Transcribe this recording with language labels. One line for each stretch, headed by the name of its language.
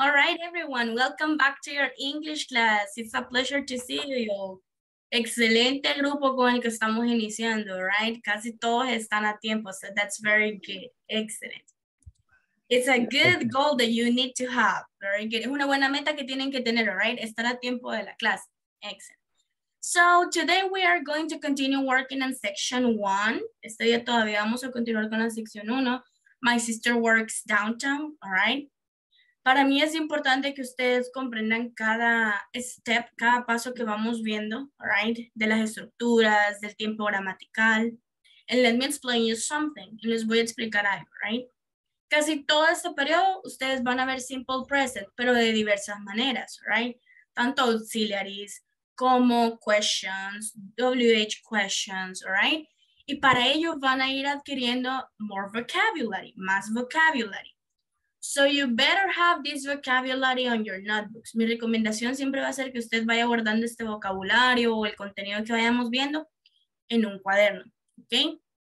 English: All right everyone, welcome back to your English class. It's a pleasure to see you.
Spanish: Excelente grupo con el que estamos iniciando, right? Casi todos están a tiempo,
English: so that's very good. Excellent. It's a good goal that you need to have. Very good.
Spanish: Es una buena meta que tienen que tener, right? Estar a tiempo de la clase. Excellent.
English: So today we are going to continue working on section one.
Spanish: Este día todavía vamos a continuar con la sección uno.
English: My sister works downtown, all right?
Spanish: Para mí es importante que ustedes comprendan cada step, cada paso que vamos viendo, right? De las estructuras, del tiempo gramatical.
English: And let me explain you something.
Spanish: Y les voy a explicar algo, right? Casi todo este periodo ustedes van a ver simple present, pero de diversas maneras, right? Tanto auxiliaries como questions, WH questions, right? Y para ello van a ir adquiriendo
English: more vocabulary,
Spanish: más vocabulary.
English: So you better have this vocabulary on your notebooks.
Spanish: Mi recomendación siempre va a ser que usted vaya guardando este vocabulario o el contenido que vayamos viendo en un cuaderno, okay?